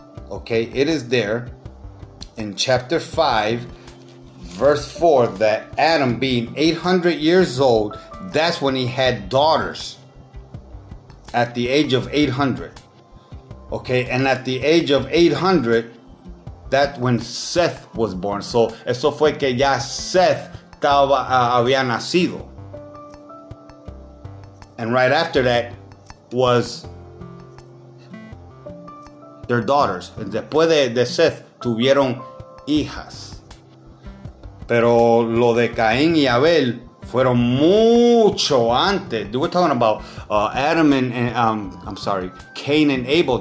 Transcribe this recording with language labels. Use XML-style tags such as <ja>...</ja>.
<en>Okay, it is there in chapter 5, verse 4, that Adam, being 800 years old, that's when he had daughters. At the age of 800. Okay, and at the age of 800, that's when Seth was born.</en> <es>So, eso fue que ya Seth estaba, había nacido.</es> <en>And right after that, was their daughters.</en> <es>Después de Seth, tuvieron hijas. Pero lo de Caín y Abel fueron mucho antes.</es> <en>We're talking about Adam and I'm sorry, Cain and Abel.</en>